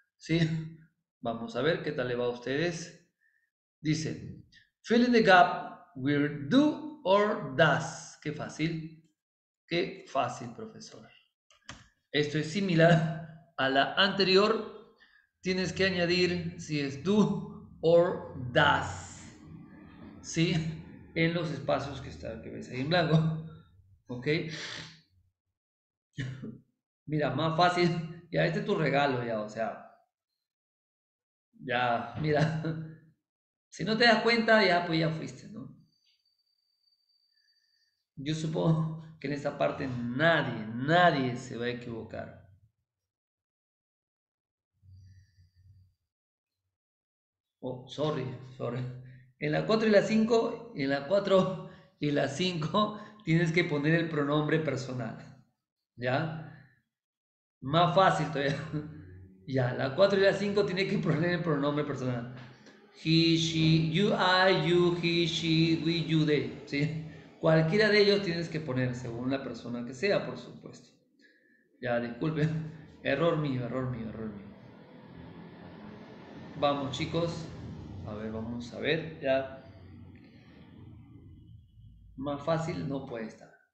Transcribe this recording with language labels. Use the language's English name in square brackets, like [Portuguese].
[Spanish] Sí, vamos a ver qué tal le va a ustedes. Dice, [English] fill in the gap with do or does. [Spanish] Qué fácil, profesor. Esto es similar a la anterior. Tienes que añadir si es do or does. ¿Sí? En los espacios que está, que ves ahí en blanco. ¿Ok? Mira, más fácil. Ya, este es tu regalo ya, o sea. Ya, mira. Si no te das cuenta, ya, pues ya fuiste, ¿no? Yo supongo que en esta parte nadie, nadie se va a equivocar. [English] Oh, sorry, sorry. [Spanish] En la 4 y la 5, en la 4 y la 5 tienes que poner el pronombre personal. ¿Ya? Más fácil todavía. Ya, la 4 y la 5 tiene que poner el pronombre personal. [English] He, she, you, I, you, he, she, we, you, they. [Spanish] ¿Sí? Cualquiera de ellos tienes que poner, según la persona que sea, por supuesto. Ya, disculpen. Error mío, error mío, error mío. Vamos, chicos. A ver, vamos a ver. Ya. Más fácil no puede estar.